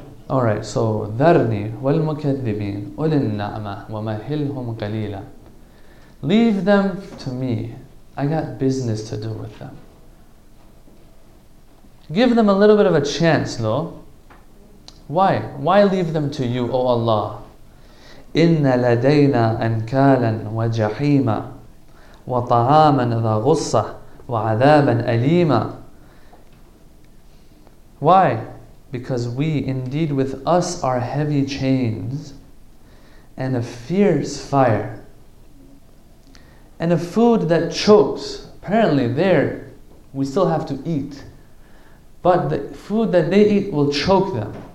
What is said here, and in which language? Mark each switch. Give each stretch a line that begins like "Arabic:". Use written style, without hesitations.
Arabic: Alright, so, ذَرْنِي وَالْمُكَذِّبِينَ أُولِي النَّعْمَةِ وَمَهِلْهُمْ قَلِيلًا.
English: Leave them to me. I got business to do with them. Give them a little bit of a chance, though. Why? Why leave them to you, O Allah?
Arabic: إِنَّ لَدَيْنَا أَنْكَالًا وَجَحِيمًا وَطَعَامًا ذَا غُصَّةً وَعَذَابًا أَلِيمًا.
English: Why? Because we, indeed with us are heavy chains and a fierce fire and a food that chokes. Apparently there, we still have to eat. But the food that they eat will choke them.